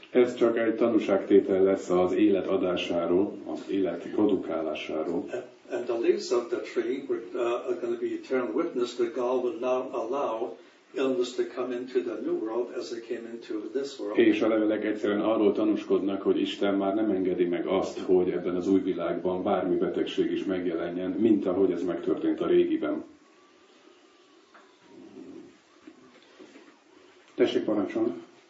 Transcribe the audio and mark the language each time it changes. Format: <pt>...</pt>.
<hu>Ez csak egy tanúságtétel lesz az élet adásáról, az élet produkálásáról.</hu> <en>And the leaves of the tree are going to be eternal witness that God will not allow illness to come into the new world as it came into this world.</en> <hu>És a levelek egyszerűen arról tanúskodnak, hogy Isten már nem engedi meg azt, hogy ebben az új világban bármi betegség is megjelenjen, mint ahogy ez megtörtént a régiben. Tessék parancsolni.</hu>